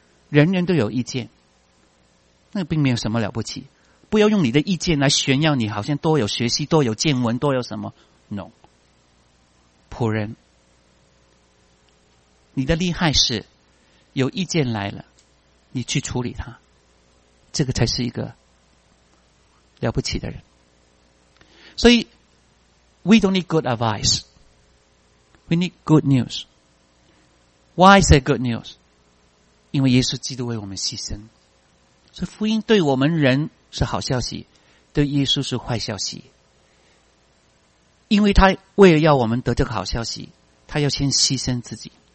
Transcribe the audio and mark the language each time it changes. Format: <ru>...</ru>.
<zh>人人都有意见，那并没有什么了不起，不要用你的意见来炫耀你好像多有学习多有见闻多有什么 No， 仆人，你的厉害是有意见来了你去处理它，这个才是一个了不起的人。所以</zh> <en>We don't need good advice, we need good news. Why is it good news?</en> <zh>因为耶稣基督为我们牺牲，所以福音对我们人是好消息，对耶稣是坏消息。因为他为了要我们得这个好消息，他要先牺牲自己。</zh>